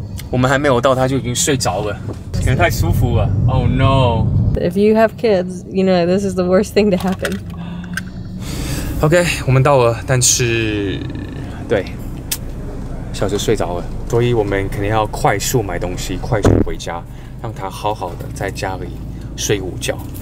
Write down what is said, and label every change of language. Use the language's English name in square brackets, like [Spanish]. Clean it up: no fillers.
[Chinese] 我们还没有到，他就已经睡着了，可能太舒服了。 [English] Oh no! If you have kids, you know this is the worst thing to happen. [Chinese] Okay, 我们到了，但是对，小孩睡着了，所以我们肯定要快速买东西，快速回家，让他好好的在家里睡午觉。